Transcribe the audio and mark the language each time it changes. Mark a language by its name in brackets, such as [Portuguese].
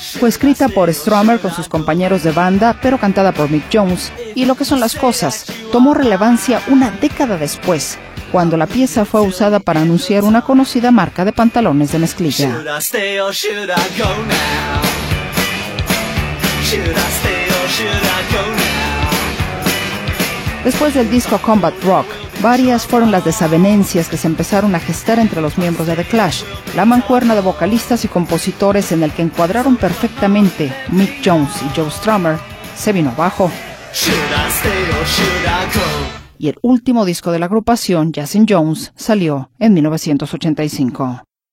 [Spanish] Fue escrita por Strummer con sus compañeros de banda, pero cantada por Mick Jones. Y lo que son las cosas, tomó relevancia una década después, cuando la pieza fue usada para anunciar una conocida marca de pantalones de mezclilla. [English] Should I stay or should I go now? Should I stay or should I go now? [Spanish] Después del disco Combat Rock, varias fueron las desavenencias que se empezaron a gestar entre los miembros de The Clash, la mancuerna de vocalistas y compositores en el que encuadraron perfectamente Mick Jones y Joe Strummer, se vino abajo. [English] Should I stay or should I go? [Spanish] Y el último disco de la agrupación, Jazz in Jones, salió en 1985.